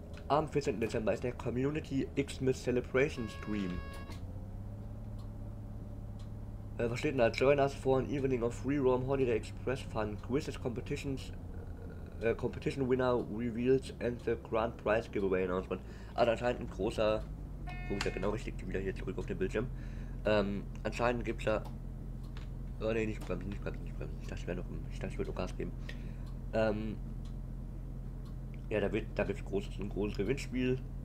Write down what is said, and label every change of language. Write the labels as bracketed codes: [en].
[de] Am 14. Dezember ist der Community Xmas Celebration Stream. Was steht denn da? [en] Join us for an evening of free roam holiday express fun, quizzes, competitions, competition winner reveals and the grand prize giveaway announcement. [de] Also anscheinend ein großer. Guck ja genau richtig, wieder hier zurück auf den Bildschirm. Anscheinend gibt es da. Oh ne, nicht bremsen, nicht bremsen, nicht bremsen. Ich dachte, ich würde noch Gas geben. Ja, da gibt es ein großes Gewinnspiel.